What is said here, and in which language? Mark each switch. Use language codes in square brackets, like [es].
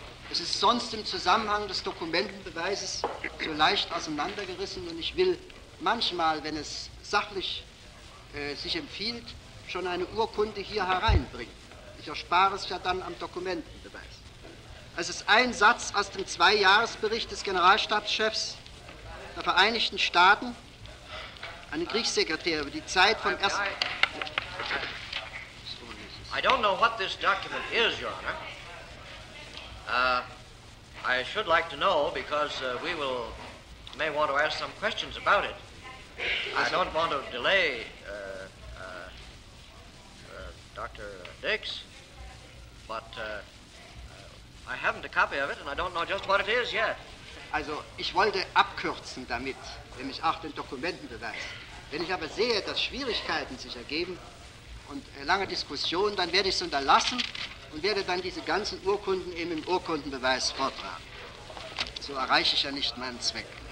[de] Es ist sonst im Zusammenhang des Dokumentenbeweises so leicht auseinandergerissen und ich will manchmal, wenn es sachlich sich empfiehlt, schon eine Urkunde hier hereinbringen. Ich erspare es ja dann am Dokumentenbeweis. Es ist ein Satz aus dem Zweijahresbericht des Generalstabschefs der Vereinigten Staaten an den Kriegssekretär über die Zeit vom ersten... [en] I don't know what this document is, Your Honor. I should like to know, because we may want to ask some questions about it. I don't want to delay Dr. Dix, but I haven't a copy of it, and I don't know just what it is yet. [de] Also, ich wollte abkürzen damit, wenn ich auch den Dokumentenbeweis. Wenn ich aber sehe, dass Schwierigkeiten sich ergeben, und lange Diskussion, dann werde ich es unterlassen und werde dann diese ganzen Urkunden eben im Urkundenbeweis vortragen. So erreiche ich ja nicht meinen Zweck.